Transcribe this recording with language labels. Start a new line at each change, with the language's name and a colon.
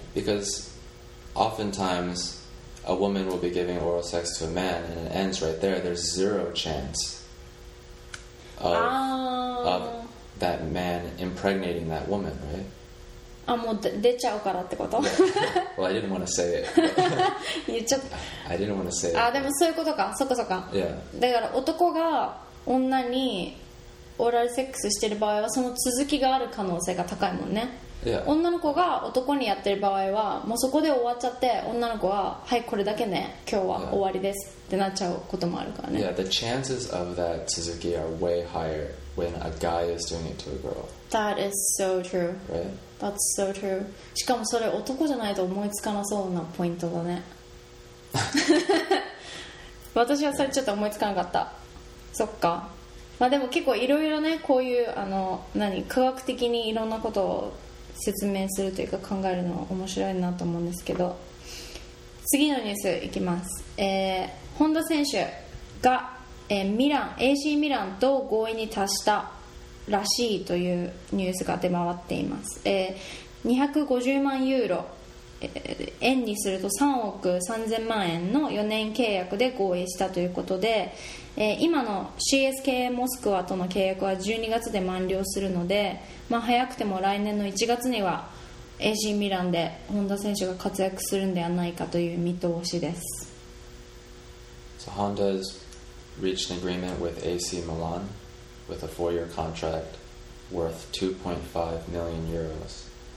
English: Because oftentimes a woman will be giving oral sex to a man and it ends right there. There's zero chance of that man impregnating that woman, right?
Japanese: あ、もう出ちゃうからってこと?
English: Well, I didn't want to say it.
Japanese: 言っちゃった。
English: I didn't want to say it.
Japanese: あ、でもそういうことか。そかそか。
English: Yeah.
Japanese: だから男が女にオーラルセックスしてる場合はその続きがある可能性が高いもんね。
English: Yeah.
Japanese: 女の子が男にやってる場合はもうそこで終わっちゃって女の子ははいこれだけね今日は終わりです。
English: Yeah.
Japanese: ってなっちゃうこともあるからね。
English: Yeah, the chances of that tsuzuki are way higher when a guy is doing it to a girl. That is so true. Right? That's so true.
Japanese: しかもそれ男じゃないと思いつかなそうなポイントだね。私はそれちょっと思いつかなかった。そっか。まあでも結構いろいろねこういうあの何科学的にいろんなことを説明するというか考えるのは面白いなと思うんですけど、次のニュースいきます。本田選手が、ミラン AC ミランと合意に達したらしいというニュースが出回っています。 250万ユーロ、円にすると3億3000万円の4年契約で合意したということで、今の CSK モスクワとの契約は12月で満了するので、まあ、早くても来年の1月にはAC ミランで本田選手が活躍するんではないかという見通しです。
English: So Honda's reached an agreement with AC Milan with a four-year contract worth 2.5 million euros.